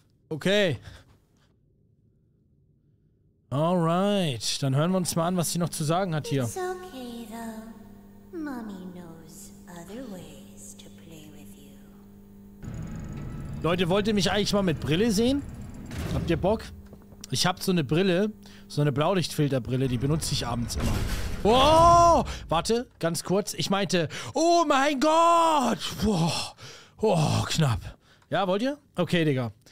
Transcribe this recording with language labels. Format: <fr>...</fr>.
<en>Okay.</en> <de>Alright, dann hören wir uns mal an, was sie noch zu sagen hat hier.</de> <en>It's okay, though. Mommy knows other ways to play with you.</en> <de>Leute, wollt ihr mich eigentlich mal mit Brille sehen? Habt ihr Bock? Ich hab so eine Brille, so eine Blaulichtfilterbrille, die benutze ich abends immer. Oh! Warte, ganz kurz. Ich meinte, oh mein Gott! Boah. Oh, knapp. Ja, wollt ihr? Okay, Digga.</de>